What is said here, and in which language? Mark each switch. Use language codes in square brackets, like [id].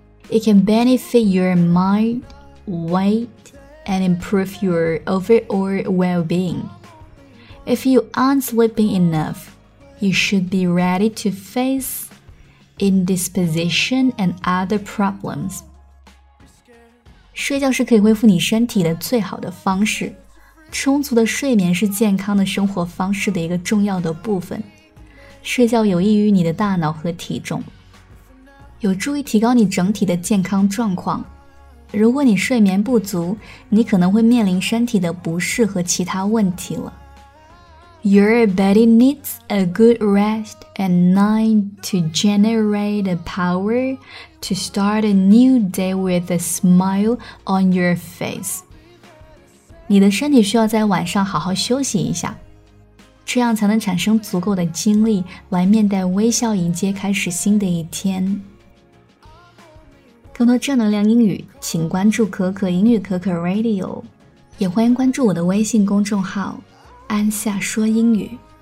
[en] It can benefit your mind, weight, and improve your overall well-being. If you aren't sleeping enough, you should be ready to face indisposition and other problems. [zh] 睡觉是可以恢复你身体的最好的方式。充足的睡眠是健康的生活方式的一个重要的部分。睡觉有益于你的大脑和体重，有助于提高你整体的健康状况。如果你睡眠不足，你可能会面临身体的不适和其他问题了。 [en] Your body needs a good rest at night to generate the power to start a new day with a smile on your face. [zh] 你的身体需要在晚上好好休息一下，这样才能产生足够的精力来面带微笑迎接开始新的一天。更多正能量英语请关注可可英语可可 Radio， 也欢迎关注我的微信公众号安夏说英语。